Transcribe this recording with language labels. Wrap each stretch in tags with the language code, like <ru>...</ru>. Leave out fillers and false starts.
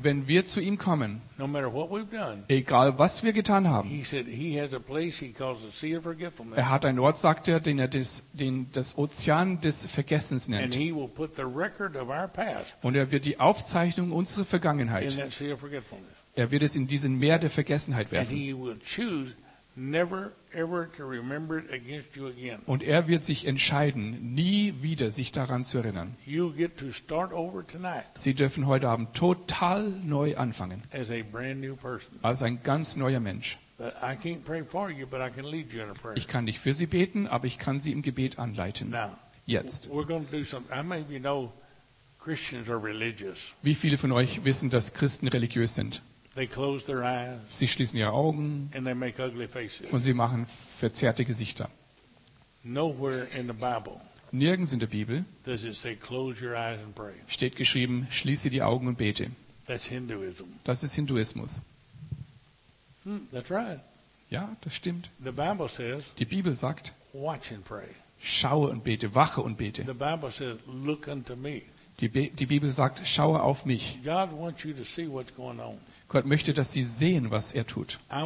<de>wenn wir zu ihm kommen,</de> <en>no matter what we've done,</en> <de>egal was wir getan haben,</de> <en>he said, he has a place he calls the sea of forgetfulness.</en> <de>Er hat einen Ort, sagt er, den er das Ozean des Vergessens nennt.</de> <en>And he will put the record of our past,</en> <de>und er wird die Aufzeichnung unserer Vergangenheit</de> <en>in that sea of forgetfulness.</en> <de>Er wird es in diesen Meer der Vergessenheit werfen.</de> <en>And he will choose never ever to remember it against you again.</en> <de>Und er wird sich entscheiden, nie wieder sich daran zu erinnern.</de> <en>You get to start over tonight.</en> <de>Sie dürfen heute Abend total neu anfangen.</de> <en>As a brand new person.</en> <de>Als ein ganz neuer Mensch.</de> <en>But I can't pray for you, but I can lead you in a prayer.</en> <de>Ich kann nicht für Sie beten, aber ich kann Sie im Gebet anleiten.</de> <en>Now,</en> <de>jetzt.</de> <en>We're going to do something. I may be know Christians are religious.</en> <de>Wie viele von euch wissen, dass Christen religiös sind?</de> <en>They close their eyes,</en> <de>sie schließen ihre Augen</de> <en>and they make ugly faces.</en> <de>Und sie machen verzerrte Gesichter.</de> <en>Nowhere in the Bible,</en> <de>nirgends in der Bibel,</de> <en>does it say, close your eyes and pray.</en> <de>Steht geschrieben, schließe die Augen und bete.</de> <en>That's Hinduism.</en> <de>Das ist Hinduismus.</de> <en>That's right.</en> <de>Ja, das stimmt.</de> <en>The Bible says,</en> <de>die Bibel sagt,</de> <en>watch and pray.</en> <de>Schaue und bete, wache und bete.</de> <en>The Bible says, look unto me.</en> <de>Die Bibel sagt, schaue auf mich.</de> <en>God wants you to see what's going on.</en> <de>Gott möchte, dass Sie sehen, was er tut.</de>